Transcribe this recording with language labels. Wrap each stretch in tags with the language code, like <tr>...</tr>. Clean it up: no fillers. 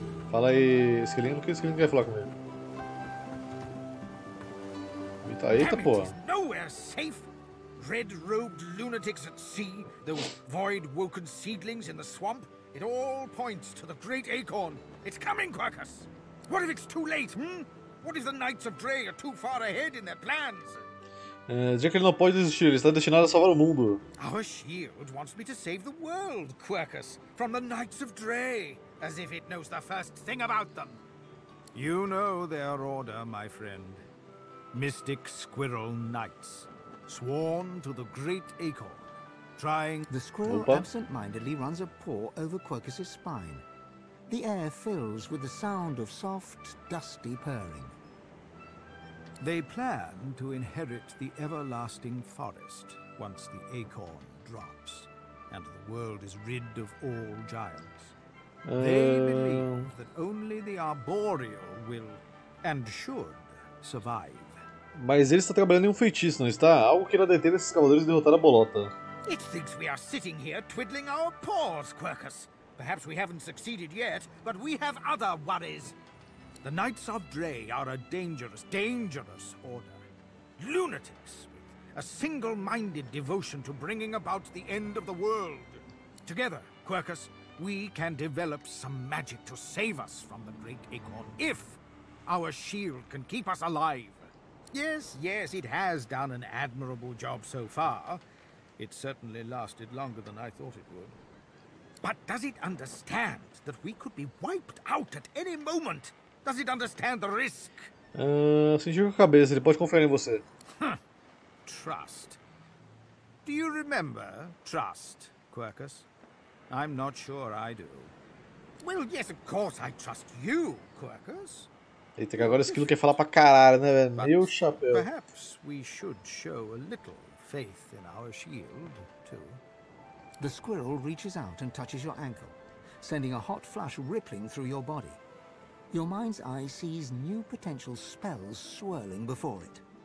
<pt>Fala aí, Esquilino, o que o Esquilino quer falar comigo? Eita, porra.</pt> <en>Nowhere safe. Red-robed lunatics at sea, those void-woken seedlings in the swamp, it all points to the great acorn. It's coming, Quarkus. What if it's too late, hmm? What if the Knights of Dre are too far ahead in their plans?</en> <pt>Já que ele não pode desistir, ele está destinado a salvar o mundo.</pt> <en>Our shield wants me to save the world, Quarkus, from the Knights of Dre, as if it knows the first thing about them. You know their order, my friend. Mystic Squirrel Knights. Sworn to the great acorn, trying the squirrel absent-mindedly runs a paw over Quercus's spine. The air fills with the sound of soft, dusty purring. They plan to inherit the everlasting forest once the acorn drops and the world is rid of all giants. They believe that only the arboreal will and should survive.</en> <pt>Mas ele está trabalhando em um feitiço, não está? Algo que irá deter esses cavaleiros e derrotar a bolota.</pt> <en>It thinks we are sitting here twiddling our paws, Quercus. Perhaps we haven't succeeded yet, but we have other worries. The Knights of Dre are a dangerous, dangerous order. Lunatics, a single-minded devotion to bringing about the end of the world. Together, Quercus, we can develop some magic to save us from the great acorn if our shield can keep us alive. Yes, yes, it has done an admirable job so far. It certainly lasted longer than I thought it would. But does it understand that we could be wiped out at any moment? Does it understand the risk?</en> <pt>Sentiu com a cabeça, ele pode confiar em você.</pt> <en>Trust. Do you remember trust, Quercus? I'm not sure I do. Well, yes, of course I trust you, Quercus.</en> <pt>Eita, que agora Esquilo quer falar pra caralho, né, velho? Meu chapéu.</pt> <en>Perhaps we should show a little faith in our shield, too. The squirrel reaches out and touches your ankle, sending a hot flush rippling through your body. Your mind's eye sees new potential spells swirling before it.</en>